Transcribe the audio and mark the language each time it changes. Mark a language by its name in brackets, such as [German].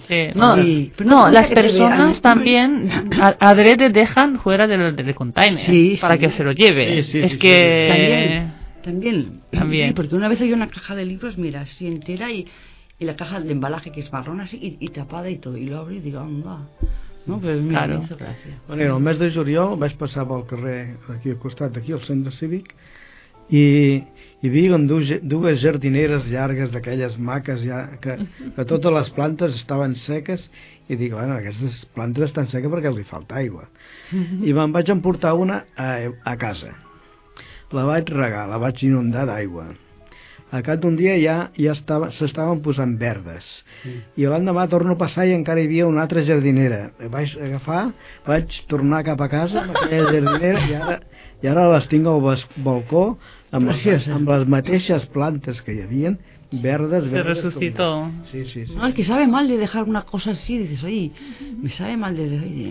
[Spanish] Sí, no, pero no, las personas también adrede dejan fuera del container, sí, para sí, que se lo lleve. Sí, sí, es sí, que también. Sí, porque una vez hay una caja de libros, mira, así entera y la caja de embalaje que es marrón así y tapada y todo, y lo abro y digo, anda. No, pues mira, claro, gracias. [Catalan] Bueno, el mes de juliol vaig passar pel carrer aquí al costat d'aquí, al centre cívic, i viuen dues jardineres llargues d'aquelles maques ja, que totes les plantes estaven seques, i dic, bueno, aquestes plantes estan seques perquè els hi falta aigua. I me'n vaig emportar una a casa. La vaig regar, la vaig inundar d'aigua. A cap d'un dia ja s'estaven posant verdes. I l'endemà torno a passar i encara hi havia una altra jardinera. Vaig agafar, vaig tornar cap a casa amb aquella jardinera i ara les tinc al balcó amb les mateixes plantes que hi havia, verdes, verdes. [Spanish] Se resucitó. Com... Sí, sí, sí. No, el que sabe mal de dejar una cosa así, dices, oye, me sabe mal de dejar...